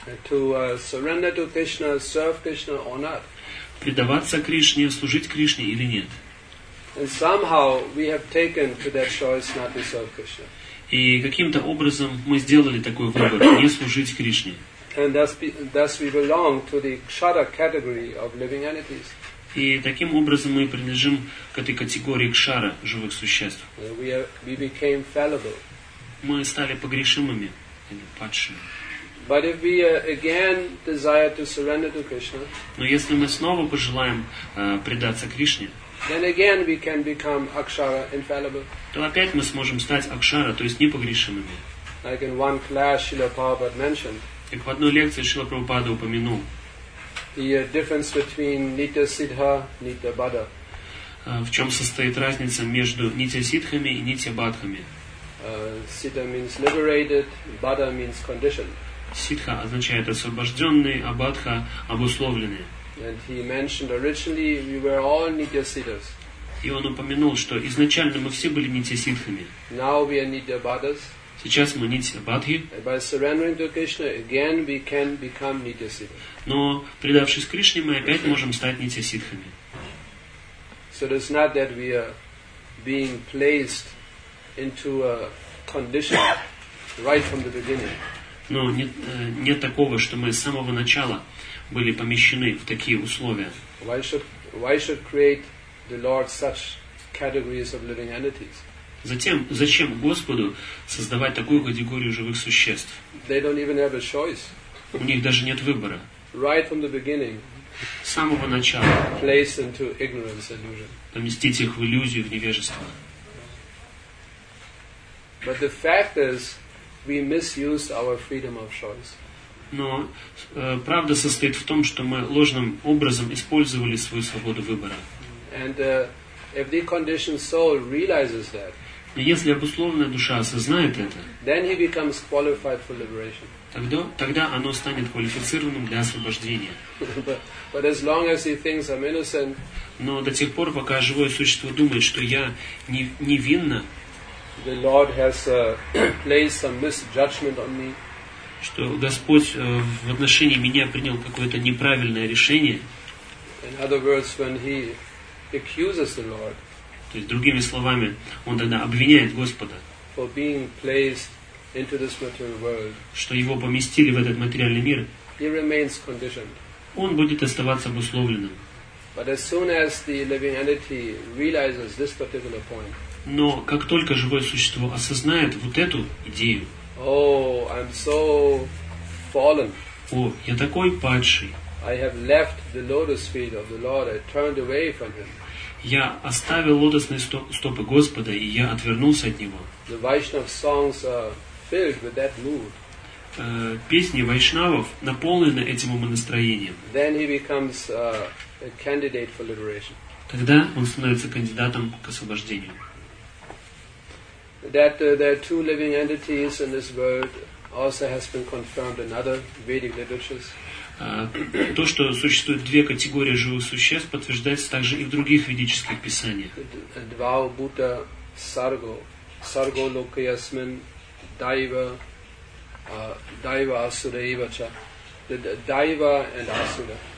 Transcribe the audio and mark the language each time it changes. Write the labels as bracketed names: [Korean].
[English] To surrender to Krishna, serve Krishna or not. [Russian] Предаваться Кришне, служить Кришне или нет. [English] And somehow we have taken to that choice not to serve Krishna. [Russian] И каким-то образом мы сделали такой выбор не служить Кришне. [English] And thus we belong to the Kshara category of living entities. [Russian] И таким образом мы принадлежим к этой категории Кшара живых существ. [English] We became fallible. [Russian] Мы стали погрешимыми или падшими. [English] But if we again desire to surrender to Krishna, [Russian] но если мы снова пожелаем предаться Кришне, [English] then again we can become akshara, infallible. [Russian] То опять мы сможем стать акшара, то есть непогрешимыми. [English] Like in one class Srila Prabhupada mentioned. [Russian] Как в одной лекции Шрила Прабхупада упомянул. [English] The difference between nitya siddha, nitya baddha. [Russian] В чем состоит разница между нитья сиддхами и нитья баддхами? [English] Siddha means liberated, baddha means conditioned. [Russian] Сиддха означает освобожденный, а баддха – обусловленный. [English] And he mentioned originally we were all nitya siddhas. [Russian] И он упомянул, что изначально мы все были нитья сиддхами. [English] Now we are nitya baddhas. [Russian] Сейчас мы нитья баддхи. [English] And by surrendering to Krishna, again we can become nitya siddhas. [Russian] Но предавшись Кришне, мы опять можем стать нитья сиддхами. [English] So it's not that we are being placed into a condition right from the beginning. [Russian] Но нет такого, что мы с самого начала были помещены в такие условия? [English] Why should create the Lord such categories of living entities? [Russian] Затем, зачем Господу создавать такую категорию живых существ? [English] They don't even have a choice. [Russian] У них даже нет выбора. [English] Right from the beginning. [Russian] С самого начала. [English] Place into ignorance, illusion. [Russian] Поместить их в иллюзию, в невежество. [English] But the fact is, we misused our freedom of choice. [Russian] Но правда состоит в том, что мы ложным образом использовали свою свободу выбора. [English] And if the conditioned soul realizes that, [Russian] если обусловленная душа осознает это, [English] then he becomes qualified for liberation. [Russian] Тогда оно станет квалифицированным для освобождения. [English] But as long as he thinks I'm innocent, [Russian] но до тех пор, пока живое существо думает, что я невинна, [English] the Lord has placed some misjudgment on me, [Russian] что Господь в отношении меня принял какое-то неправильное решение. [English] In other words, when he accuses the Lord, [Russian] то есть другими словами, он тогда обвиняет Господа, [English] for being placed into this material world, [Russian] что его поместили в этот материальный мир, [English] he remains conditioned. [Russian] Он будет оставаться обусловленным. [English] But as soon as the living entity realizes this particular point, [Russian] но как только живое существо осознает вот эту идею, [English] oh, I'm so fallen. [Russian] О, я такой падший. [English] I have left the lotus feet of the Lord. I turned away from him. [Russian] Я оставил лотосные стопы Господа, и я отвернулся от него. [English] The Vaishnav songs are filled with that mood. [Russian] Песни вайшнавов наполнены этим умонастроением. [English] Then he becomes a candidate for liberation. [Russian] Тогда он становится кандидатом к освобождению. [English] That there are two living entities in this world also has been confirmed in other Vedic literatures. [Russian] То, что существует две категории живых существ, подтверждается также и в других ведических писаниях. [Sanskrit] Двау бута сарго, сарго локаясмин, дайва, дайва асура ивача, дайва and асура.